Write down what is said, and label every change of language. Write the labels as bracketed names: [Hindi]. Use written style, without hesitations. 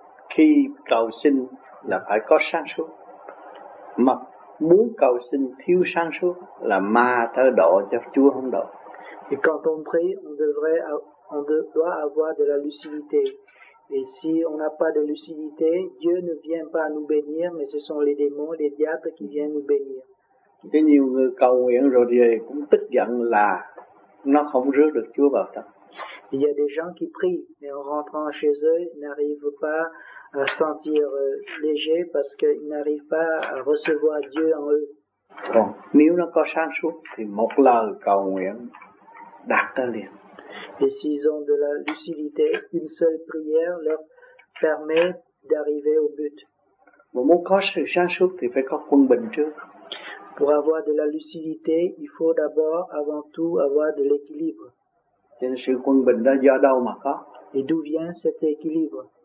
[Vietnamese] Khi cầu xin là phải có sáng suốt. Mà muốn cầu xin thiếu sáng suốt là ma tới độ cho Chúa không độ. [French] Et quand on prie, on doit avoir de la lucidité. Et si on n'a pas de lucidité, Dieu ne vient pas nous bénir, mais ce sont les démons, les diables qui viennent nous bénir. [Vietnamese] Thế nhiều người cầu nguyện rồi thì cũng tức giận là nó không rước được Chúa vào tâm. [French] Il y a des gens qui prient, mais en rentrant chez eux, ils n'arrivent pas à sentir léger parce qu'ils n'arrivent pas à recevoir Dieu en eux. [Vietnamese] Bon, nếu nó có sáng suốt, thì một lời cầu nguyện đạt tới liền. [French] Et s'ils ont de la lucidité, une seule prière leur permet d'arriver au but. Pour avoir de la lucidité, il faut d'abord, avant tout, avoir de l'équilibre. Et d'où vient cet équilibre?